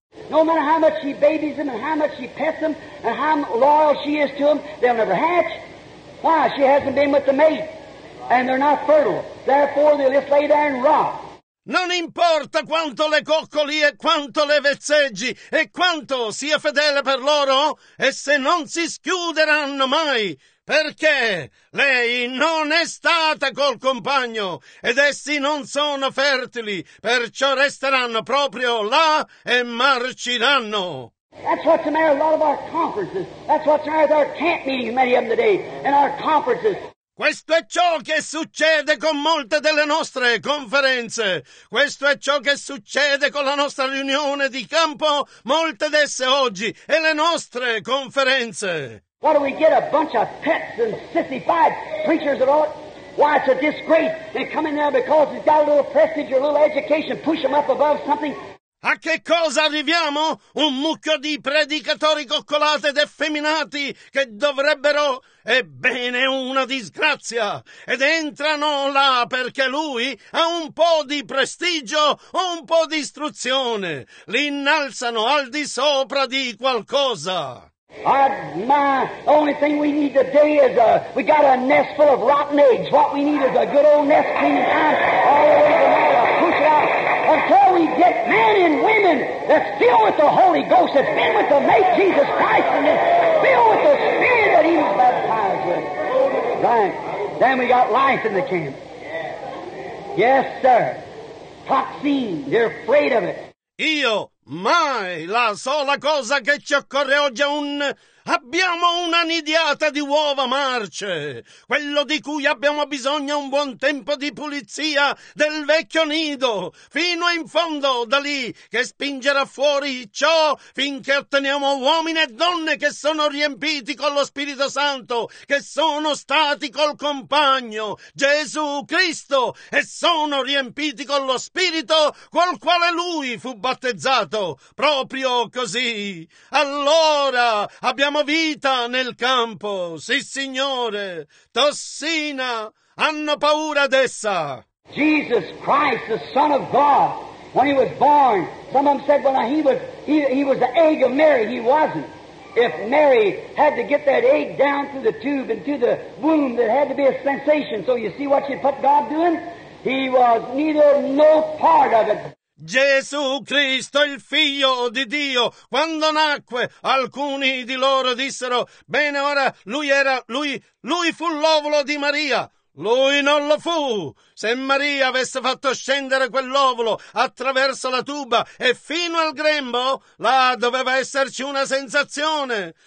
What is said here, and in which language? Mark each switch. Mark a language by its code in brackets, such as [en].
[en] No matter how much she babies them and how much she pets them and how loyal she is to them, they'll never hatch. Why? She hasn't been with the mate. And they're not fertile. Therefore, they'll just lay there and rot. [it] Non importa quanto le coccoli e quanto le vezzeggi e quanto sia fedele per loro, esse non si schiuderanno mai, perché lei non è stata col compagno ed essi non sono fertili, perciò resteranno proprio là e marciranno. [en] That's what's the matter with a lot of our conferences. That's what's the matter with our camp meetings, many of them today, and our conferences. [it] Questo è ciò che succede con molte delle nostre conferenze. Questo è ciò che succede con la nostra riunione di campo, molte d'esse oggi, e le nostre conferenze. [en] Why do we get a bunch of pets and sissified preachers at all? Why, it's a disgrace. They come in there because he's got a little prestige or a little education. Push them up above something. [it] A che cosa arriviamo? Un mucchio di predicatori coccolati ed effeminati che dovrebbero... Ebbene, una disgrazia! Ed entrano là perché lui ha un po' di prestigio o un po' di istruzione. L'innalzano al di sopra di qualcosa. [en] Only thing we need today is we got a nest full of rotten eggs. What we need is a good old nest clean time. All the way from there, push it out. Until we get men and women that's filled with the Holy Ghost, that's been with the mate Jesus Christ, and is filled with the Spirit that he was baptized with. Right. Then we got life in the camp. Yes, sir. Toxin. They're afraid of it. [it] Io mai la sola cosa che ci occorre oggi è un... Abbiamo una nidiata di uova marce. Quello di cui abbiamo bisogno è un buon tempo di pulizia del vecchio nido, fino in fondo da lì, che spingerà fuori ciò finché otteniamo uomini e donne che sono riempiti con lo Spirito Santo, che sono stati col compagno Gesù Cristo e sono riempiti con lo Spirito col quale lui fu battezzato. Proprio così. Allora abbiamo vita nel campo, sì signore, tossina, hanno paura d'essa. [en] Jesus Christ, the Son of God, when he was born, some of them said, well, he was the egg of Mary. He wasn't. If Mary had to get that egg down through the tube and through the womb, there had to be a sensation. So you see what you put God doing? He was neither no part of it. [it] Gesù Cristo, il Figlio di Dio, quando nacque, alcuni di loro dissero, bene, ora lui fu l'ovulo di Maria. Lui non lo fu. Se Maria avesse fatto scendere quell'ovulo attraverso la tuba e fino al grembo, là doveva esserci una sensazione.